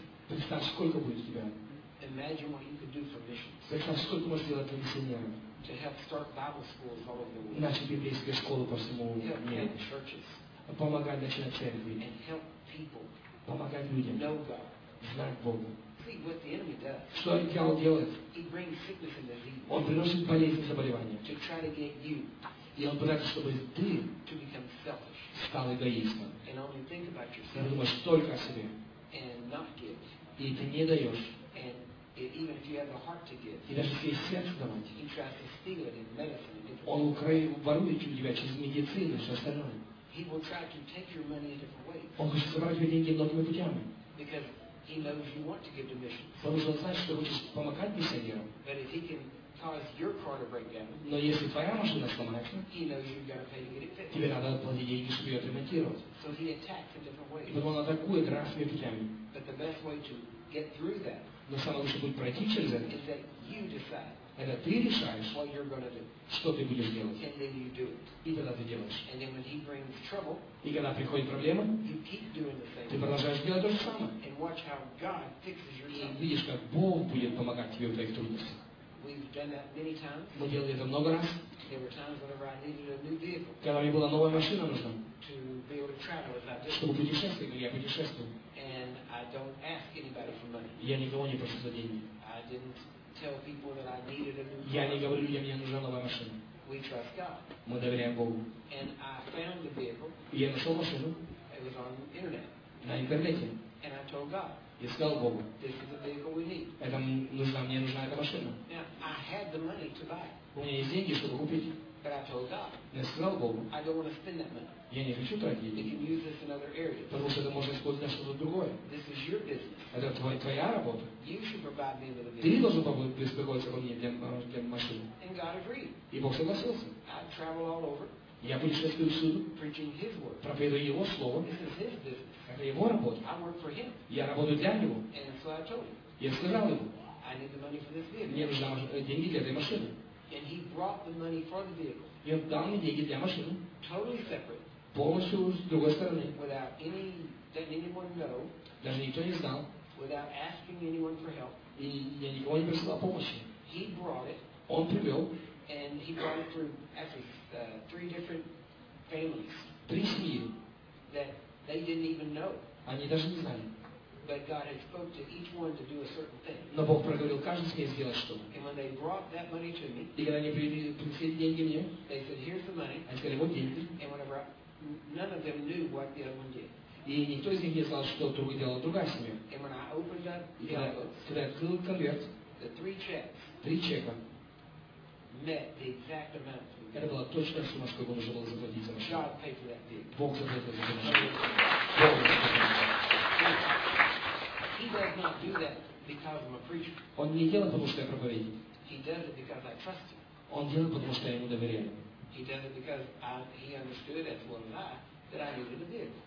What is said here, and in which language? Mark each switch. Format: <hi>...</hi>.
<ru>Представь, сколько будет у тебя. Представь, сколько можешь сделать для миссионеров.</ru> <en>To help start Bible schools all over the world.</en> <ru>Начать библейские школы по всему миру.</ru> <en>Help plant churches.</en> <ru>Помогать начинать церкви.</ru> <en>And help people.</en> <ru>Помогать людям.</ru> <en>Know God.</en> <ru>Знать Бога.</ru> <en>See what the enemy does.</en> <ru>Что дьявол делает?</ru> <en>He brings sickness and disease.</en> <ru>Он приносит болезнь и заболевания.</ru> <en>To try to get you.</en> <ru>И он пытается, чтобы ты</ru> <en>to become selfish.</en> <ru>Стал эгоистом.</ru> <en>And only think about yourself.</en> <ru>Ты думаешь только о себе.</ru> <en>And not give.</en> <ru>И ты не даешь.</ru> <en>And even if you have a heart to give.</en> <ru>И даже если есть сердце давать.</ru> <en>He tries to steal it in medicine.</en> <ru>Он ворует у тебя через медицину и все остальное.</ru> <en>He will try to take your money in different ways.</en> <ru>Он хочет собрать твои деньги многими путями.</ru> <en>Because he knows you want to give to missions.</en> <ru>Потому что он знает, что хочешь помогать миссионерам.</ru> <en>But if he can cause your car to break down.</en> <ru>Но если твоя машина сломается.</ru> <en>He knows you've got to pay to get it fixed.</en> <ru>Тебе надо платить деньги, чтобы ее отремонтировать.</ru> <en>So he attacks in different ways.</en> <ru>И потом он атакует разными путями.</ru> <en>But the best way to get through that.</en> <ru>Но самое лучшее будет пройти через это.</ru> <en>Is that you decide.</en> <ru>Это ты решаешь,</ru> <en>what you're going to do.</en> <ru>Что ты будешь делать.</ru> <en>And then you do it.</en> <ru>И тогда ты делаешь.</ru> <en>And then when he brings trouble,</en> <ru>и когда приходит проблема,</ru> <en>you keep doing the same.</en> <ru>Ты продолжаешь делать то же самое.</ru> <en>And watch how God fixes your trouble.</en> <ru>И видишь, как Бог будет помогать тебе в твоих трудностях.</ru> <en>We've done that many times.</en> <ru>Мы делали это много раз.</ru> <en>There were times whenever I needed a new vehicle.</en> <ru>Когда мне была новая машина нужна.</ru> <en>To be able to travel as I did.</en> <ru>Чтобы путешествовать, я путешествую.</ru> <en>And I don't ask anybody for money.</en> <ru>Я никого не прошу за деньги.</ru> <en>I didn't tell people that I needed a new car.</en> <ru>Я не говорю людям, мне нужна новая машина.</ru> <en>We trust God.</en> <ru>Мы доверяем Богу.</ru> <en>And I found the vehicle.</en> <ru>И я нашел машину.</ru> <en>It was on the internet.</en> <ru>На интернете.</ru> <en>And I told God.</en> <ru>И сказал Богу,</ru> <en>this is the vehicle we need.</en> <ru>Это нужна, мне нужна эта машина.</ru> <en>Now, I had the money to buy.</en> <ru>У меня есть деньги, чтобы купить.</ru> <en>But I told God.</en> <ru>Но я сказал Богу,</ru> <en>I don't want to spend that money.</en> <ru>Я не хочу тратить деньги.</ru> <en>You can use this in other areas.</en> <ru>Потому что это можно использовать на что-то другое.</ru> <en>This is your business.</en> <ru>Это твоя работа.</ru> <en>You should provide me with a vehicle.</en> <ru>Ты должен беспокоиться обо мне для машины.</ru> <en>And God agreed.</en> <ru>И Бог согласился.</ru> <en>I travel all over.</en> <ru>Я путешествую всюду.</ru> <en>Preaching his word.</en> <ru>Проповедую его слово.</ru> <en>This is his business.</en> <ru>Это его работа.</ru> <en>I work for him.</en> <ru>Я работаю для него.</ru> <en>And so I told him.</en> <ru>Я сказал ему.</ru> <en>I need the money for this vehicle.</en> <ru>Мне нужны деньги для этой машины.</ru> <en>And he brought the money for the vehicle.</en> <ru>И он дал мне деньги для машины.</ru> <en>Totally separate.</en> <ru>Полностью с другой стороны.</ru> <en>Without any, that anyone know,</en> <ru>даже никто не знал.</ru> <en>Without asking anyone for help.</en> <ru>И я никого не просил помощи.</ru> <en>He brought it.</en> <ru>Он привел.</ru> <en>And he brought it through actually three different families.</en> <ru>Три семьи.</ru> <en>That they didn't even know.</en> <ru>Они даже не знали.</ru> <en>But God had spoke to each one to do a certain thing.</en> <ru>Но Бог проговорил каждому себе сделать что-то.</ru> <en>And when they brought that money to me,</en> <ru>и когда они принесли деньги мне,</ru> <en>they said, here's the money.</en> <ru>Они сказали, вот деньги.</ru> <en>And whenever none of them knew what the other one did.</en> <ru>И никто из них не знал, что другой делал другая семья.</ru> <en>And when I opened up the envelopes,</en> <ru>когда я открыл конверт,</ru> <en>the three checks,</en> <ru>три чека,</ru> <en>met the exact amount.</en> <ru>Это была точная сумма, сколько нужно было заплатить за машину. Бог заплатил за машину.</ru> <en>He does not do that because I'm a preacher.</en> <ru>Он не делает, потому что я проповедник.</ru> <en>He does it because I trust him.</en> <ru>Он делает, потому что я ему доверяю.</ru> <en>He does it because he understood as well as I that I needed a vehicle.</en>